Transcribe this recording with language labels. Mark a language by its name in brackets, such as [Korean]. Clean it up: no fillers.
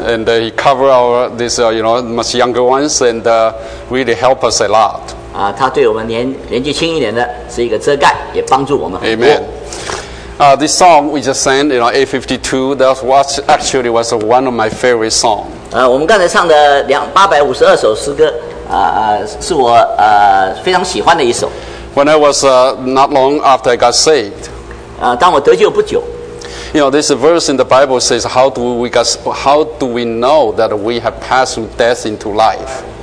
[English] And he cover our this you know much younger ones and really help us a lot. [Chinese] 他对我们年纪轻一点的是一个遮盖，也帮助我们很多。 [English] Amen. This song we just sang, you know, A52, that was actually was one of my favorite songs. [Chinese] 我们刚才唱的852首诗歌是我非常喜欢的一首。 [English] When I was not long after I got saved. [Chinese] 当我得救不久。 [English] You know, this verse in the Bible says, how do we know that we have passed through death into life?